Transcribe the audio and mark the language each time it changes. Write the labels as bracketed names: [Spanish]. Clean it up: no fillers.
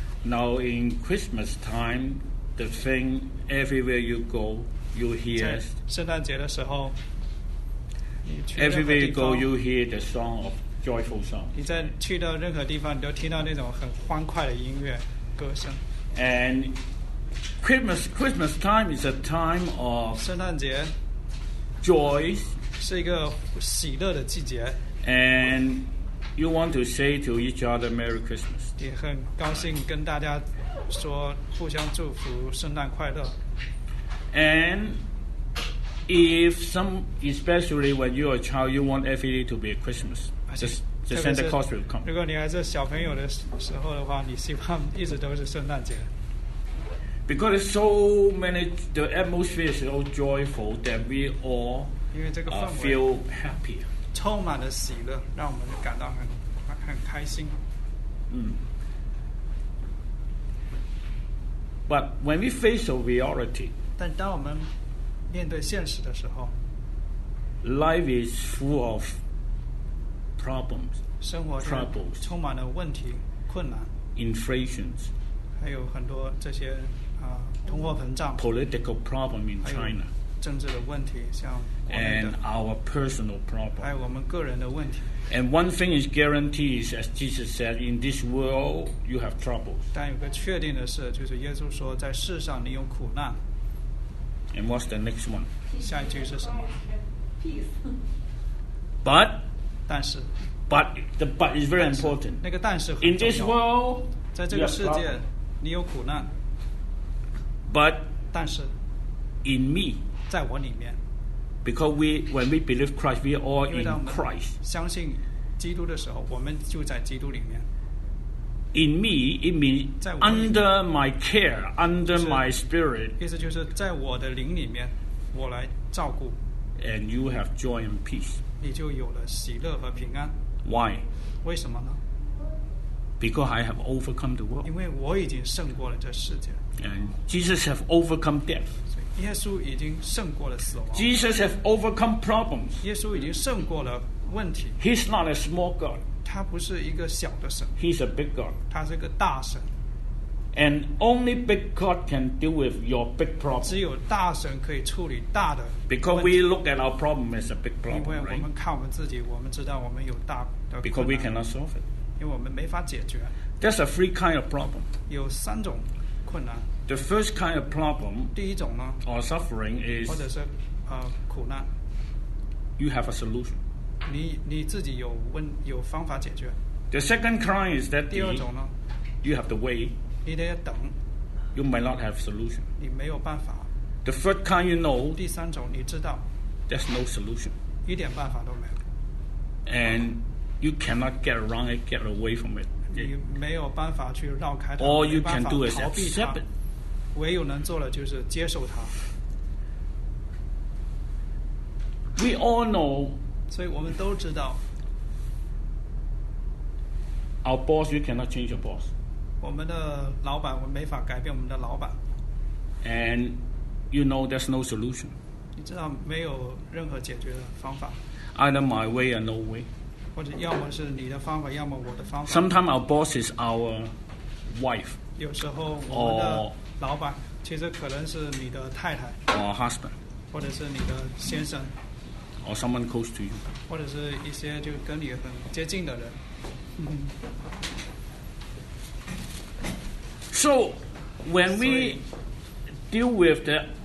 [English] Now in Christmas time, the thing everywhere you go, you hear. [Chinese] 在圣诞节的时候 [English] ，everywhere you go, you hear the song of joyful song. [Chinese] 你在去到任何地方，你都听到那种很欢快的音乐歌声。 [English] And Christmas time is a time of [Chinese] 圣诞节 [English] joy [Chinese] 是一个喜乐的季节。 [English] And you want to say to each other Merry Christmas. 也很高兴跟大家说互相祝福圣诞快乐。 And if some, especially when you are a child, you want every day to be a Christmas. The Santa Claus will come. [Chinese] 如果你还是小朋友的时候的话，你希望一直都是圣诞节。 [English] Because there's so many, the atmosphere is so joyful that we all feel happy. [Chinese] 充满了喜乐，让我们感到很开心。嗯。 [English] But when we face a reality, [Chinese] 但当我们面对现实的时候 [English] ，life is full of problems. [Chinese] 生活 [English] troubles [Chinese] 充满了问题、困难。 [English] Inflation. [Chinese] 还有很多这些。通货膨胀 [English] ，political problem in China， [Chinese] 政治的问题，像国内的 [English] ，and our personal problem， [Chinese] 还有我们个人的问题。 [English] And one thing is guaranteed, as Jesus said, in this world you have trouble. [Chinese] 但有个确定的事，就是耶稣说，在世上你有苦难。 [English] And what's the next one？ [Chinese] 下一句是什么 [English] ？Peace. But， [Chinese] 但是 [English] ，but the but is very important. [Chinese] 那个但是很重要。 [English] In this world， [Chinese] 在这个世界，你有苦难。 [English] But [Chinese] 但是 [English] in me, [Chinese] 在我里面 [English] because we when we believe Christ, we are all in Christ. [Chinese] 相信基督的时候，我们就在基督里面。 [English] In me, it means under my care, under my spirit. [Chinese] 意思就是在我的灵里面，我来照顾。 [English] And you have joy and peace. [Chinese] 你就有了喜乐和平安。 [English] Why? [Chinese] 为什么呢？ [English] Because I have overcome the world. [Chinese] 因为我已经胜过了这世界。 [English] And Jesus have overcome death. [Chinese] 耶稣已经胜过了死亡。 [English] Jesus have overcome problems. [Chinese] 耶稣已经胜过了问题。 [English] He's not a small God. [Chinese] 他不是一个小的神。 [English] He's a big God. [Chinese] 他是个大神。 [English] And only big God can deal with your big problem. [Chinese] 只有大神可以处理大的。 [English] Because we look at our problem as a big problem, right? [Chinese] 因为我们看我们自己，我们知道我们有大的困难。 [English] Because we cannot solve it. [Chinese] 因为我们没法解决。 [English] There's a three kind of problem. [Chinese] 有三种。 [English] The first kind of problem [Chinese] 第一种呢, [English] or suffering is [Chinese] 或者是, 苦难, [English] you have a solution. [Chinese] 你自己有问, 有方法解决。 [English] The second kind is that [Chinese] 第二种呢, [English] you have to wait. [Chinese] 你得等, [English] you may not have a solution. [Chinese] 你没有办法。 [English] The third kind you know [Chinese] 第三种你知道, [English] there's no solution. [Chinese] 一点办法都没有。 [English] And you cannot get around it, get away from it. [Chinese] 你没有办法去绕开它 [English] All you can do is [Chinese] 逃避它唯有能做的就是接受它 [English] We all know [Chinese] 所以我们都知道 [English] Our boss you cannot change your boss [Chinese] 我们的老板我没法改变我们的老板 [English] And you know there's no solution [Chinese] 你知道没有任何解决的方法 [English] Either my way or no way [Chinese] 或者要么是你的方法，要么我的方法。 [English] Sometimes our boss is our wife. [Chinese] 有时候我们的老板其实可能是你的太太。 [English] Or husband. [Chinese] 或者是你的先生。 [English] Or someone close to you. [Chinese] 或者是一些就跟你很接近的人。 [English] So when we deal with the